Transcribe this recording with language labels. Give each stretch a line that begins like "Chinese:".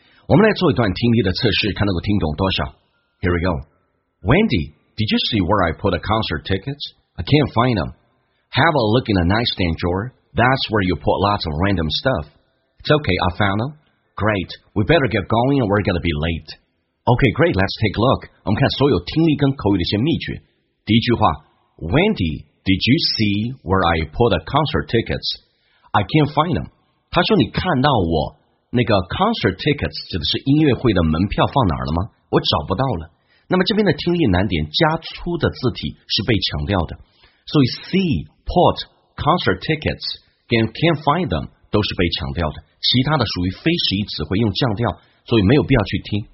Chinese: 我们来做一段听力的测试，看能够听懂多少。
English: Here we go. Wendy, did you see where I put the concert tickets? I can't find them. Have a look in the nightstand drawer. That's where you put lots of random stuff. It's okay, I found them. Great, we better get going or we're gonna be late. Okay, great, let's take a look.
Chinese: 我们看所有听力跟口语的一些秘诀。第一句话，
English: Wendy, did you see where I put the concert tickets? I can't find them.
Chinese: 他说你看到我那个 concert tickets 指的是音乐会的门票放哪儿了吗？我找不到了。那么这边的听力难点，加粗的字体是被强调的，所以 see, put, concert tickets,
English: can't find them
Chinese: 都是被强调的，其他的属于非实义词汇，用降调，所以没有必要去听。